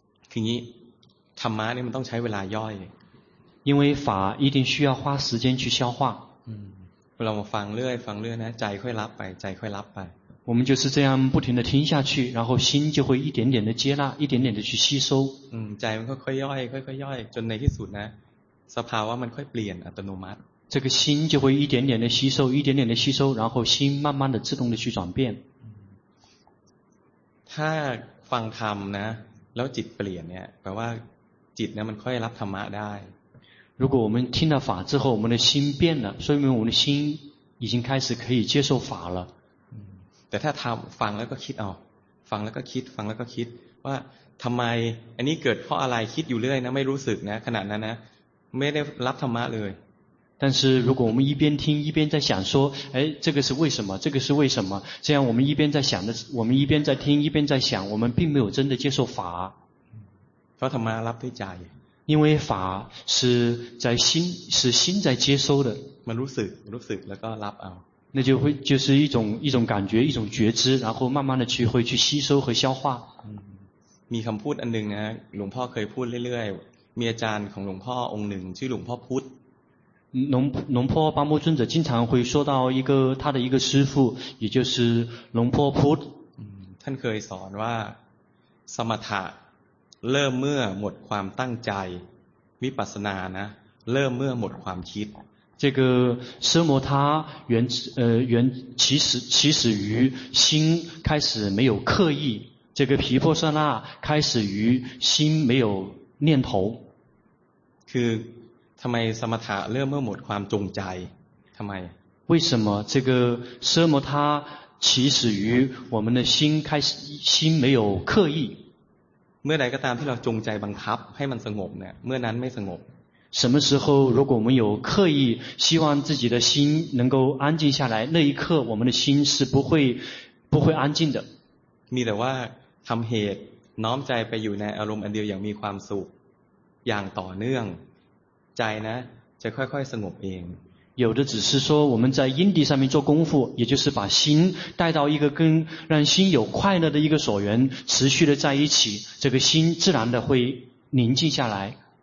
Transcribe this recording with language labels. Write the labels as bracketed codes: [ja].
[th] คืองี้ธรรมะเนี่ยมันต้องใช้เวลาย่อย [zh] 因为法一定需要花时间去消化 [th] เรามาฟังเรื่อยฟังเรื่อยนะใจค่อยรับไปใจค่อยรับไป [zh] 我们就是这样不停地听下去然后心就会一点点的接纳一点点的去吸收 [th] ใจมันค่อยย่อยค่อยย่อยจนในที่สุดนะสภาวะมันค่อยเปลี่ยนอัตโนมัติ [zh] 这个心就会一点点的吸收一点点的吸收然后心慢慢的自动的去转变 [th] ถ้าฟังธรรมนะแล้วจิตเปลี่ยนเนี่ยแปลว่าจิตเนี่ยมันค่อยรับธรรมะได้ [zh] 如果我们听了法之后，我们的心变了，说明我们的心已经开始可以接受法了。嗯，但他放了个คิด [th] 哦，放了个คิด，放了个คิด，ว่าทำไมอันนี้เกิดเพราะอะไรคิดอยู่เรื่อยนะไม่รู้สึกนะขณะนั้นนะไม่ได้รับธรรมะเลย。 [zh] 但是如果我们一边听一边在想说，哎，这个是为什么？这个是为什么？这样我们一边在想的，我们一边在听一边在想，我们并没有真的接受法。 [th] เพราะธรรมะรับด้วยใจ。 [zh] 因为法是在心，是心在接收的。 [th] มันรู้สึก รู้สึก แล้วก็รับเอา [zh] 那就会就是一种感觉，一种觉知，然后慢慢的去会去吸收和消化。 [th] มีคำพูดอันหนึ่งนะหลวงพ่อเคยพูดเรื่อยๆมีอาจารย์ของหลวงพ่อองค์หนึ่งชื่อหลวงพ่อพุทธ [zh] 龙坡巴木尊者经常会说到一个他的一个师父，也就是龙坡พุทธ [th] ท่านเคยสอนว่าสมถะเริ่มเมื่อหมดความตั้งใจวิปัสสนานะเริ่มเมื่อหมดความคิด [zh] 这个奢摩他原原起始于心开始没有刻意这个毗婆舍那开始于心没有念头 [th] คือทำไมสมถะเริ่มเมื่อหมดความจงใจทำไม [zh] 为什么这个奢摩他起始于我们的心开始心没有刻意 [th] เมื่อใดก็ตามที่เราจงใจบังคับให้มันสงบเนี่ยเมื่อนั้นไม่สงบ [zh] 什么时候如果我们有刻意希望自己的心能够安静下来那一刻我们的心是不会安静的 [th] มีแต่ว่าทำเหตุน้อมใจไปอยู่ในอารมณ์อันเดียวอย่างมีความสุขอย่างต่อเนื่องใจนะจะค่อยๆสงบเอง [zh] 有的只是说我们在因地上面做功夫也就是把心带到一个跟让心有快乐的一个所缘持续的在一起这个心自然的会宁静下来